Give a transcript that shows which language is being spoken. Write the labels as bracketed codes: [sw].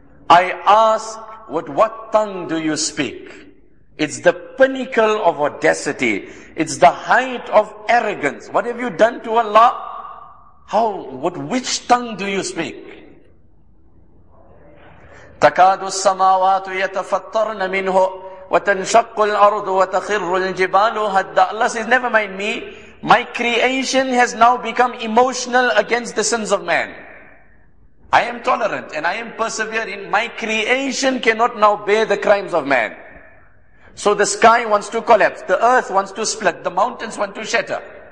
[en] I ask, with what tongue do you speak? It's the pinnacle of audacity. It's the height of arrogance. What have you done to Allah? How, what, which tongue do you speak? [ar] تكاد السماوات يتفطرن منه وتنشق الأرض وتخر الجبال هدا. [en] Allah says, never mind me. My creation has now become emotional against the sins of man. I am tolerant and I am persevering. My creation cannot now bear the crimes of man. So the sky wants to collapse. The earth wants to split. The mountains want to shatter.